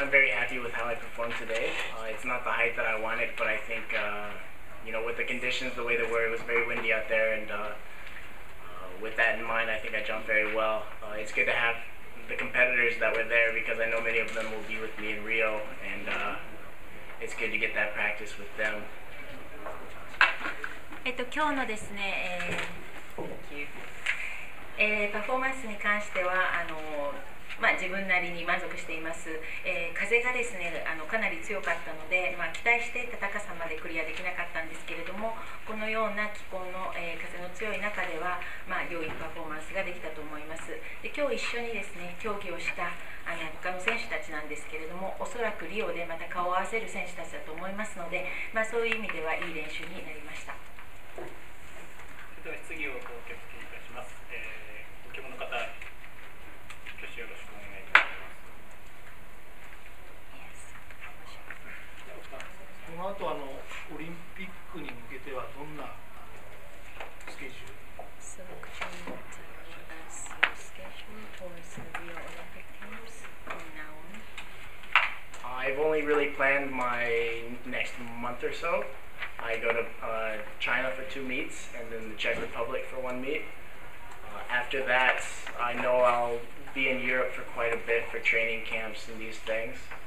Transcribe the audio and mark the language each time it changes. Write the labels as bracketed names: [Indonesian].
[English] I'm very happy with how I performed today. It's not the height that I wanted, but I think, you know, with the conditions the way they were, it was very windy out there, and with that in mind, I think I jumped very well. It's good to have the competitors that were there, because I know many of them will be with me in Rio, and it's good to get that practice with them. [Japanese] 今日のですね、パフォーマンスに関しては、まあ、自分なりに満足しています、風がですね、かなり強かったので、まあ、期待していた高さまでクリアできなかったんですけれども、このような気候の、風の強い中では、まあ、良いパフォーマンスができたと思います。で、今日一緒にですね、競技をした他の選手たちなんですけれども、おそらくリオでまた顔を合わせる選手たちだと思いますので、まあ、そういう意味ではいい練習になりました。では質疑を受け付けいたします。ご希望の方、挙手よろしくお願いいたします。 [English] yes. [Japanese] この後オリンピックに向けてはどんなスケジュールを受けていらっしゃるか。 [English] So, could you tell us your schedule towards the Rio Olympic Games from now on? I've only really planned my next month or soI go to China for two meets, and then the Czech Republic for one meet. After that, I know I'll be in Europe for quite a bit for training camps and these things.